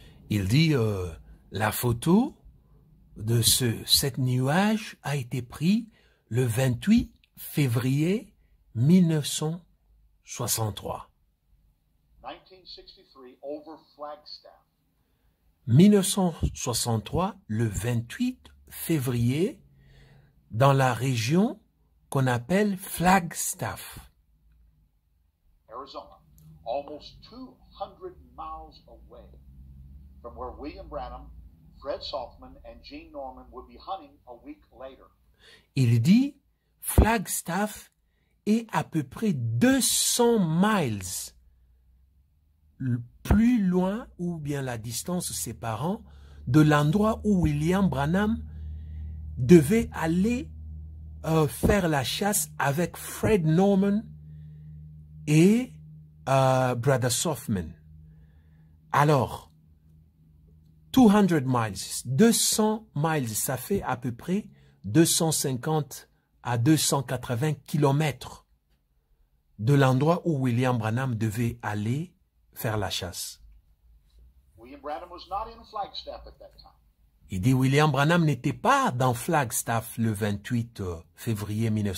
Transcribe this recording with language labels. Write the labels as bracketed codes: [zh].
[fr] Il dit, la photo de cet nuage a été prise le 28 février 1963. [en] 1963, over Flagstaff. [fr] 1963, le 28 février, dans la région qu'on appelle Flagstaff. [en] Arizona, almost 200 miles away from where William Branham, Fred Saltzman and Gene Norman would be hunting a week later. [fr] Il dit, Flagstaff est à peu près 200 miles plus loin, ou bien la distance séparant de l'endroit où William Branham devait aller faire la chasse avec Fred Norman et Brother Softman. Alors, 200 miles, 200 miles, ça fait à peu près 250 à 280 kilomètres de l'endroit où William Branham devait aller faire la chasse. [en] William Branham was not in Flagstaff at that time. [fr] Il dit, William Branham n'était pas dans Flagstaff le 28 février